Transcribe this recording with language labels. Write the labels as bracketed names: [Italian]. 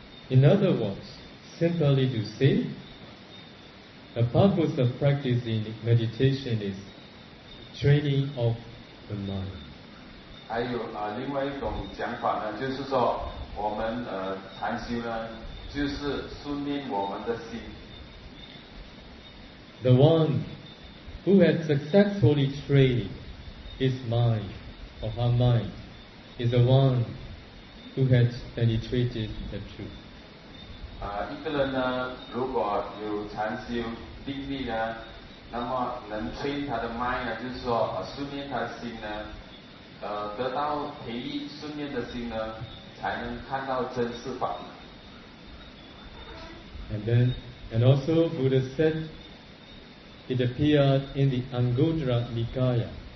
[English] In other words, simply to say, the purpose of practicing meditation is training of the mind. [Chinese] 还有另外一种讲法呢，就是说我们禅修呢，就是训练我们的心。 [English] The one who has successfully trained his mind or her mind is the one who has penetrated the truth. [Chinese] 一个人呢，如果有禅修定力呢，那么能train他的 mind 呢，就是说训练他的心呢。得到培育训练的心呢，才能看到真实法。 [English] And also Buddha said, it appeared in the Anguttara Nikaya.